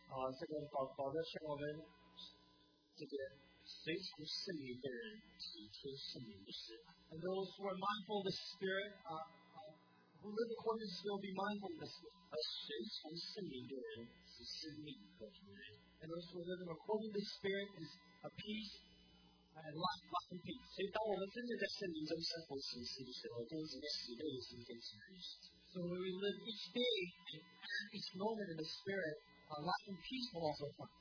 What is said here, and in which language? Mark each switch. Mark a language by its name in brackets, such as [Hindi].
[Chinese] 这个保证是我们这个随从圣灵的人体贴圣灵的事。 [English] And those who are mindful of the Spirit, who live according to the Spirit, be mindful of the Spirit. [Chinese] 而随从圣灵的人是生命和平安。 [English] And those who live according to the Spirit is a peace. And life. So when we live each day and each moment in the Spirit, our life and peace will also come.